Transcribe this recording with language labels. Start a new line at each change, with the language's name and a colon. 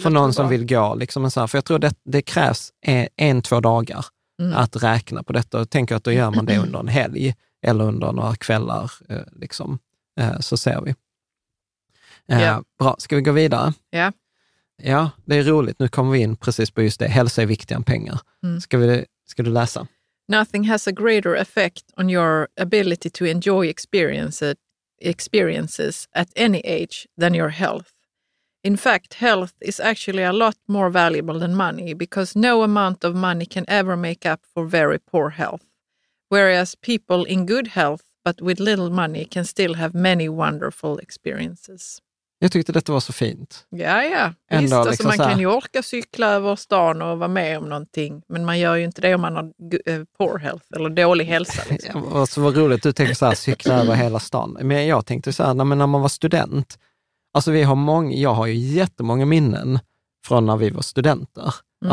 Swedish: för någon som vill gå liksom en sån här, för jag tror det krävs en, två dagar att räkna på detta, och tänker att då gör man det under en helg eller under några kvällar liksom, så ser vi. Bra, ska vi gå vidare? Ja. Ja, det är roligt. Nu kommer vi in precis på just det. Hälsa är viktigare än pengar. Ska du läsa?
English: Nothing has a greater effect on your ability to enjoy experiences at any age than your health. In fact, health is actually a lot more valuable than money, because no amount of money can ever make up for very poor health. Whereas people in good health but with little money can still have many wonderful experiences.
Swedish: Jag tyckte detta var så fint. Ja, ja. Ändå, visst, liksom alltså, man kan ju orka cykla över stan och vara med om någonting. Men man gör ju inte det om man har
English: poor health
Swedish: eller dålig hälsa. Liksom. Alltså, vad roligt, du tänker så här, cykla över hela stan. Men jag tänkte så här, när man var student. Alltså jag har ju jättemånga minnen från när vi var studenter. Mm.